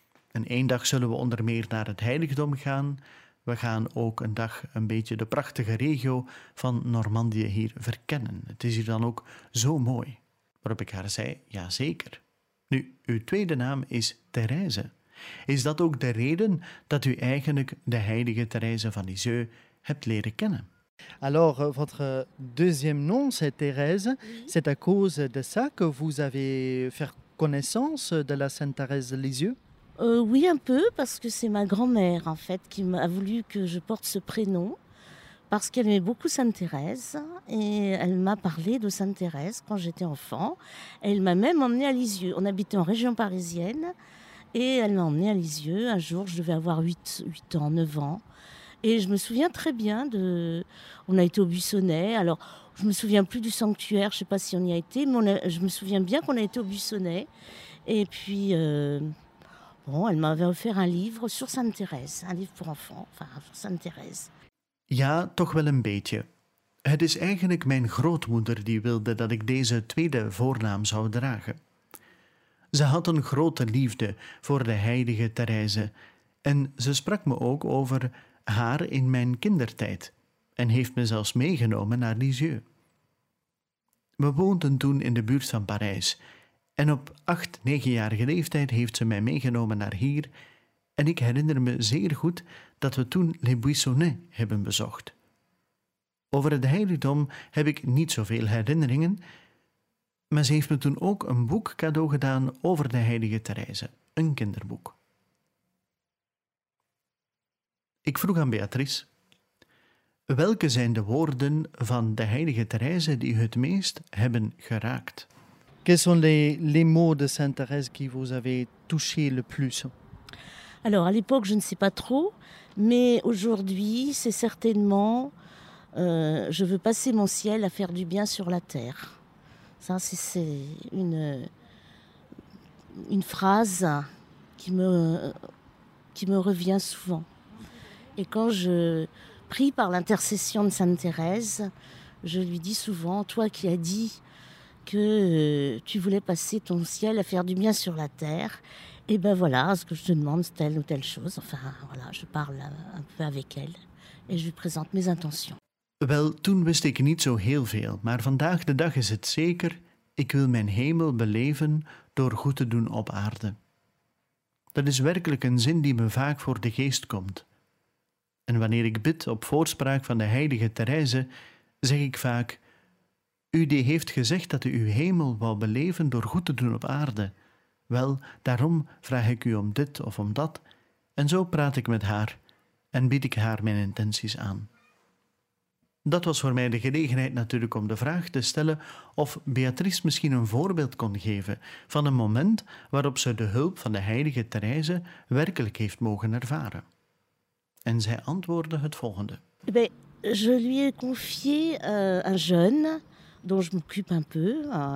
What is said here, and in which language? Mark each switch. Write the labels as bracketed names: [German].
[Dutch] En één dag zullen we onder meer naar het heiligdom gaan. We gaan ook een dag een beetje de prachtige regio van Normandië hier verkennen. Het is hier dan ook zo mooi. Waarop ik haar zei, ja zeker. Nu, uw tweede naam is Thérèse. Is dat ook de reden dat u eigenlijk de heilige Thérèse van Lisieux hebt leren kennen? [French] Alors, votre deuxième nom, c'est Thérèse. Oui. C'est à cause de ça que vous avez fait connaissance de la Sainte Thérèse de Lisieux? Oui, un peu, parce que c'est ma grand-mère, en fait, qui m'a voulu que je porte ce prénom, parce qu'elle aimait beaucoup Sainte Thérèse, et elle m'a parlé de Sainte Thérèse quand j'étais enfant. Elle m'a même emmenée à Lisieux. On habitait en région parisienne, et elle m'a emmenée à Lisieux. Un jour, je devais avoir 8 ans, 9 ans. Et je me souviens très bien de... On a été au Buissonnet. Alors, je ne me souviens plus du sanctuaire. Je ne sais pas si on y a été. Mais je me souviens bien qu'on a été au Buissonnet. Et puis, elle m'avait offert un livre sur Sainte Thérèse. Un livre pour enfants. Enfin, sur Sainte Thérèse. [Dutch] Ja, toch wel een beetje. Het is eigenlijk mijn grootmoeder die wilde dat ik deze tweede voornaam zou dragen. Ze had een grote liefde voor de heilige Thérèse en ze sprak me ook over haar in mijn kindertijd en heeft me zelfs meegenomen naar Lisieux. We woonden toen in de buurt van Parijs en op 8-9-jarige leeftijd heeft ze mij meegenomen naar hier en ik herinner me zeer goed dat we toen Les Buissonnets hebben bezocht. Over het heiligdom heb ik niet zoveel herinneringen. Maar ze heeft me toen ook een boek cadeau gedaan over de heilige Thérèse, een kinderboek. Ik vroeg aan Beatrice, welke zijn de woorden van de heilige Thérèse die u het meest hebben geraakt? [French] Quels sont les mots de Sainte Thérèse qui vous avez touché le plus? Alors, à l'époque, je ne sais pas trop, mais aujourd'hui, c'est certainement je veux passer mon ciel à faire du bien sur la terre. Ça, c'est une phrase qui me revient souvent. Et quand je prie par l'intercession de Sainte Thérèse, je lui dis souvent, toi qui as dit que tu voulais passer ton ciel à faire du bien sur la terre, et ben voilà, ce que je te demande, c'est telle ou telle chose. Enfin, voilà, je parle un peu avec elle et je lui présente mes intentions. [Dutch] Wel, toen wist ik niet zo heel veel, maar vandaag de dag is het zeker. Ik wil mijn hemel beleven door goed te doen op aarde. Dat is werkelijk een zin die me vaak voor de geest komt. En wanneer ik bid op voorspraak van de heilige Therese, zeg ik vaak: U die heeft gezegd dat u uw hemel wou beleven door goed te doen op aarde. Wel, daarom vraag ik u om dit of om dat. En zo praat ik met haar en bied ik haar mijn intenties aan. Dat was voor mij de gelegenheid natuurlijk om de vraag te stellen of Beatrice misschien een voorbeeld kon geven van een moment waarop ze de hulp van de heilige Therese werkelijk heeft mogen ervaren. En zij antwoordde het volgende. [French] Je lui ai confié un jeune dont je m'occupe un peu.